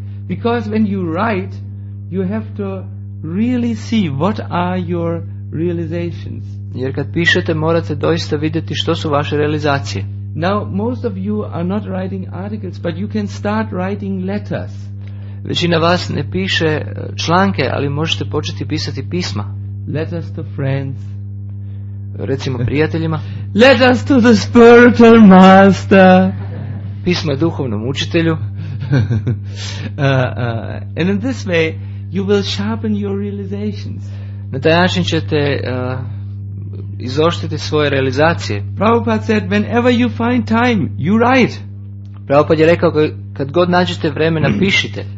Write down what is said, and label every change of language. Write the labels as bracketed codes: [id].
[en] Because when you write, you have to really see what are your realizations. [hr] Jer kad pišete, morate doista vidjeti što su vaše realizacije. [en] Now, most of you are not writing articles, but you can start writing letters. [hr] Većina vas ne piše članke, ali možete početi pisati pisma. [en] Letters to friends. [hr] Recimo prijateljima. [en] Letters to the spiritual master. [hr] Pisma duhovnom učitelju. [en] And in this way, you will sharpen your realizations. [hr] Na taj način ćete... izoštiti svoje realizacije. [en] Prabhupada said, whenever you find time, you write. [hr] Prabhupada je rekao, kad god nađete vremena, pišite.